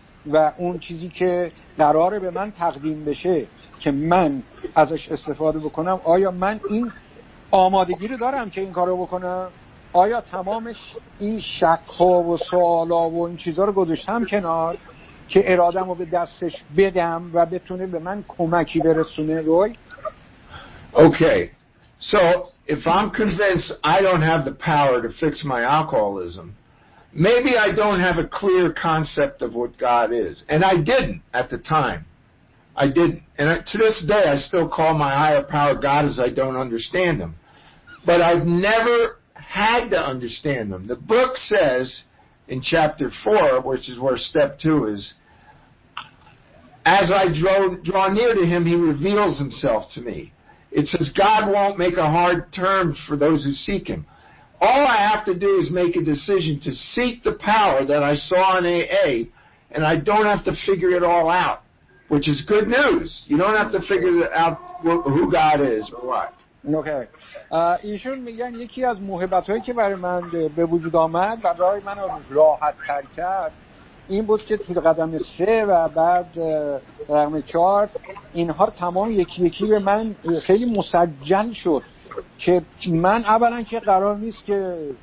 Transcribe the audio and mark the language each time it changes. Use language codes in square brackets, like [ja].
[fa] و اون چیزی که قراره به من تقدیم بشه که من ازش استفاده بکنم، آیا من این آمادگی رو دارم که این کارو بکنم؟ آیا تمامش این شک ها و سوال ها و این چیزها رو گذاشتم کنار که ارادم رو به دستش بدم و بتونه به من کمکی برسونه؟ روی [en] Okay. So if I'm convinced I don't have the power to fix my alcoholism, maybe I don't have a clear concept of what God is. And I didn't at the time. I didn't. And to this day, I still call my higher power God as I don't understand him. But I've never had to understand him. The book says in chapter 4, which is where step 2 is, as I draw near to him, he reveals himself to me. It says God won't make a hard term for those who seek him. All I have to do is make a decision to seek the power that I saw in AA, and I don't have to figure it all out, which is good news. You don't have to figure out who God is or what. Okay. [fa] ایشون میگن یکی از موهبت‌هایی که برای من به وجود آمد و برای من راحت‌تر کرد این بود که تو قدم 3 و بعد رقم 4 اینها تمام یکی یکی به من خیلی مسجل شد که من اولا که قرار نیست که